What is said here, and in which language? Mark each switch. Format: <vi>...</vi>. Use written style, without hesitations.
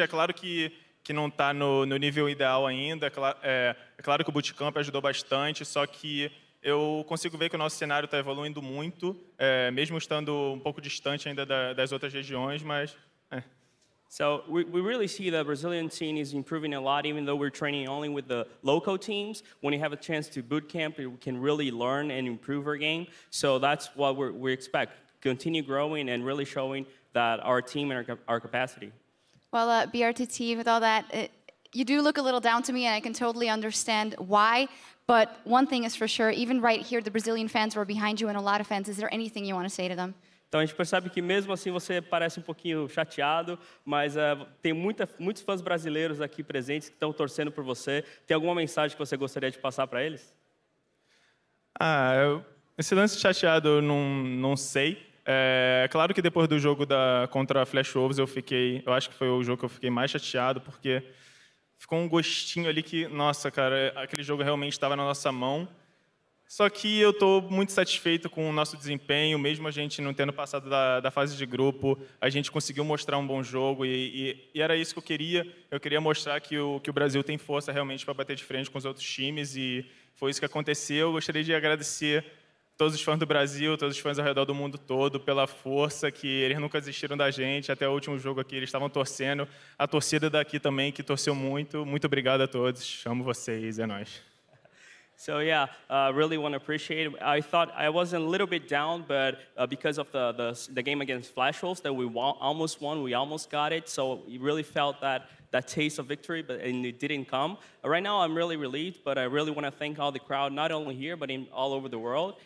<pt>É claro que não está no nível ideal ainda, é claro que o bootcamp ajudou bastante, só que eu consigo ver que o nosso cenário está evoluindo muito, mesmo estando um pouco distante ainda das outras regiões, mas...</pt> <en>So we really see the Brazilian scene is improving a lot, even though we're training only with the local teams. When you have a chance to boot camp, we can really learn and improve our game. So that's what we expect, continue growing and really showing that our team and our capacity. Well, BRTT, with all that, you do look a little down to me, and I can totally understand why. But one thing is for sure, even right here, the Brazilian fans were behind you and a lot of fans. Is there anything you want to say to them?</en> <pt>Então a gente percebe que mesmo assim você parece um pouquinho chateado, mas tem muitos fãs brasileiros aqui presentes que estão torcendo por você. Tem alguma mensagem que você gostaria de passar para eles? Ah, esse lance chateado eu não sei. Claro que depois do jogo contra a Flash Wolves eu acho que foi o jogo que eu fiquei mais chateado, porque ficou um gostinho ali que, nossa, cara, aquele jogo realmente estava na nossa mão. Só que eu estou muito satisfeito com o nosso desempenho, mesmo a gente não tendo passado da fase de grupo, a gente conseguiu mostrar um bom jogo e era isso que eu queria. Eu queria mostrar que o Brasil tem força realmente para bater de frente com os outros times e foi isso que aconteceu. Eu gostaria de agradecer todos os fãs do Brasil, todos os fãs ao redor do mundo todo pela força, que eles nunca desistiram da gente, até o último jogo aqui eles estavam torcendo, a torcida daqui também que torceu muito. Muito obrigado a todos, amo vocês, é nóis.</pt> <en>So yeah, really want to appreciate it. I thought I was a little bit down, but because of the game against Flash Wolves that we almost won, we almost got it. So we really felt that that taste of victory, but and it didn't come. Right now, I'm really relieved, but I really want to thank all the crowd, not only here, but in all over the world.</en>